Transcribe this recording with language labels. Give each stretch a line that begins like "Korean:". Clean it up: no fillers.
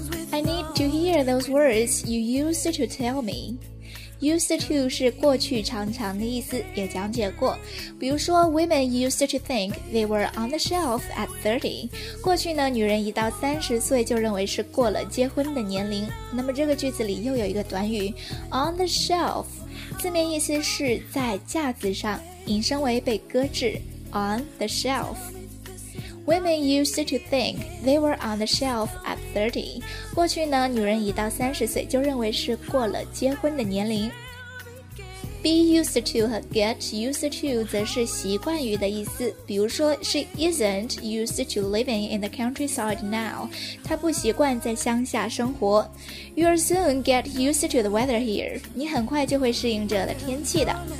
English: I need to hear those words you used to tell me.
Chinese: Used to 是过去常常的意思，也讲解过。
English: 比如说 Women used to think they were on the shelf at 30.
Chinese: 过去呢，女人一到三十岁就认为是过了结婚的年龄。那么这个句子里又有一个短语 On the shelf， 字面意思是在架子上，引申为被搁置。
English: On the shelfWomen used to think they were on the shelf at 30.
Chinese: 过去呢，女人一到三十岁就认为是过了结婚的年龄。 Be used to 和 get used to 则是习惯于的意思。
English: 比如说，She isn't used to living in the countryside now.
Chinese: 她不习惯在乡下生活。
English: You'll soon get used to the weather here.
Chinese: 你很快就会适应这的天气的。